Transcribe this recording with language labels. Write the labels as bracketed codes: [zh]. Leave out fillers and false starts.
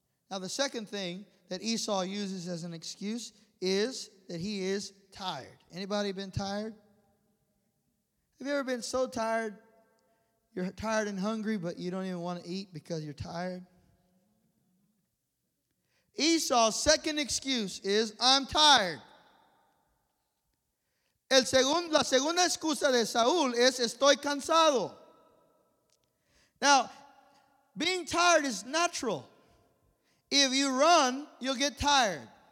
[en] Now, the second thing that Esau uses as an excuse is that he is tired. Anybody been tired? Have you ever been so tired, you're tired and hungry, but you don't even want to eat because you're tired? Esau's second excuse is, I'm tired. [es] La segunda excusa de Saúl es, estoy cansado. [en] Now, being tired is natural. If you run, you'll get tired.